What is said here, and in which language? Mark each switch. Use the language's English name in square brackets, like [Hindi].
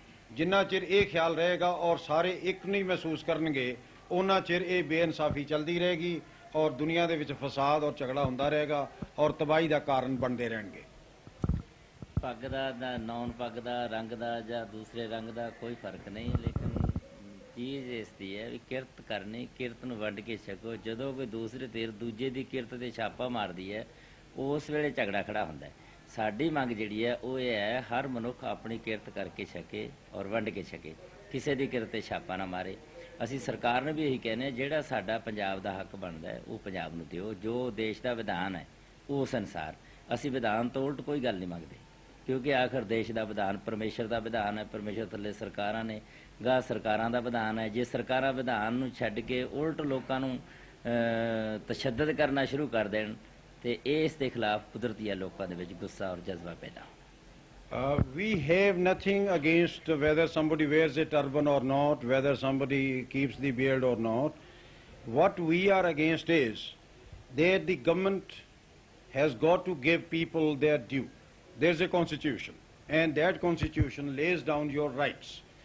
[English] As long as there is one thing, and all of us will feel one. [Punjabi] ਉਹਨਾਂ ਚਿਰ ਇਹ ਬੇਇਨਸਾਫੀ ਚੱਲਦੀ ਰਹੇਗੀ ਔਰ ਦੁਨੀਆ ਦੇ ਵਿੱਚ ਫਸਾਦ ਔਰ ਝਗੜਾ ਹੁੰਦਾ ਰਹੇਗਾ ਔਰ ਤਬਾਹੀ ਦਾ ਕਾਰਨ ਬਣਦੇ ਰਹਿਣਗੇ. ਪੱਗ ਦਾ, ਨੌਨ ਪੱਗ ਦਾ, ਰੰਗ ਦਾ ਜਾਂ ਦੂਸਰੇ ਰੰਗ ਦਾ ਕੋਈ ਫਰਕ ਨਹੀਂ, ਲੇਕਿਨ ਚੀਜ਼ ਇਸ ਦੀ ਹੈ ਵੀ ਕਿਰਤ ਕਰਨੀ, ਕਿਰਤ ਨੂੰ ਵੰਡ ਕੇ ਛਕੋ. ਜਦੋਂ ਕੋਈ ਦੂਸਰੇ ਤੇਰ ਦੂਜੇ ਦੀ ਕਿਰਤ 'ਤੇ ਛਾਪਾ ਮਾਰਦੀ ਹੈ, ਉਸ ਵੇਲੇ ਝਗੜਾ ਖੜਾ ਹੁੰਦਾ. ਸਾਡੀ ਮੰਗ ਜਿਹੜੀ ਹੈ ਉਹ ਇਹ ਹੈ, ਹਰ ਮਨੁੱਖ ਆਪਣੀ ਕਿਰਤ ਕਰਕੇ ਛਕੇ ਔਰ ਵੰਡ ਕੇ ਛਕੇ, ਕਿਸੇ ਦੀ ਕਿਰਤ 'ਤੇ ਛਾਪਾ ਨਾ ਮਾਰੇ. ਅਸੀਂ ਸਰਕਾਰ ਨੂੰ ਵੀ ਇਹੀ ਕਹਿੰਦੇ, ਜਿਹੜਾ ਸਾਡਾ ਪੰਜਾਬ ਦਾ ਹੱਕ ਬਣਦਾ ਉਹ ਪੰਜਾਬ ਨੂੰ ਦਿਓ, ਜੋ ਦੇਸ਼ ਦਾ ਵਿਧਾਨ ਹੈ ਉਸ ਅਨੁਸਾਰ. ਅਸੀਂ ਵਿਧਾਨ ਤੋਂ ਉਲਟ ਕੋਈ ਗੱਲ ਨਹੀਂ ਮੰਗਦੇ, ਕਿਉਂਕਿ ਆਖਰ ਦੇਸ਼ ਦਾ ਵਿਧਾਨ ਪਰਮੇਸ਼ਰ ਦਾ ਵਿਧਾਨ ਹੈ, ਪਰਮੇਸ਼ਰ ਥੱਲੇ ਸਰਕਾਰਾਂ ਨੇ ਗਾਹ ਸਰਕਾਰਾਂ ਦਾ ਵਿਧਾਨ ਹੈ. ਜੇ ਸਰਕਾਰਾਂ ਵਿਧਾਨ ਨੂੰ ਛੱਡ ਕੇ ਉਲਟ ਲੋਕਾਂ ਨੂੰ ਤਸ਼ੱਦਦ ਕਰਨਾ ਸ਼ੁਰੂ ਕਰ ਦੇਣ, ਤਾਂ ਇਸ ਦੇ ਖਿਲਾਫ ਕੁਦਰਤੀ ਹੈ ਲੋਕਾਂ ਦੇ ਵਿੱਚ ਗੁੱਸਾ ਔਰ ਜਜ਼ਬਾ ਪੈਦਾ. [English] We have nothing against whether somebody wears a turban or not, whether somebody keeps the beard or not. What we are against is that the government has got to give people their due. There's a constitution, and that constitution lays down your rights.